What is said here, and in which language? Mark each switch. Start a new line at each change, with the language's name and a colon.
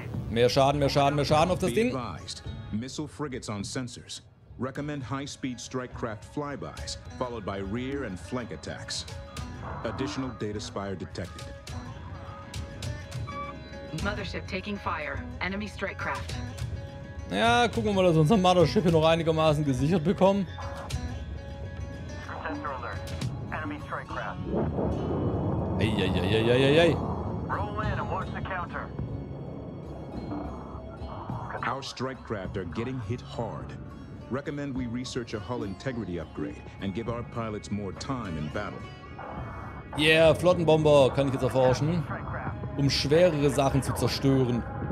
German: Mehr Schaden, mehr Schaden, mehr Schaden auf das Ding.
English: Missile frigates on sensors. Recommend high-speed strike craft flybys, followed by rear and flank attacks. Additional data spire detected. Mothership taking fire. Enemy strike craft.
German: Ja, gucken wir mal, dass wir unser Mothership hier noch einigermaßen gesichert bekommen.
English: Sensor alert. Enemy strike craft. Ei, ei, ei, ei, ei, ei. Roll in and watch the counter. Our strike craft are getting hit hard. Recommend we research a hull integrity upgrade and give our pilots more time in battle.
German: Yeah, Flottenbomber kann ich jetzt erforschen, um schwerere Sachen zu zerstören.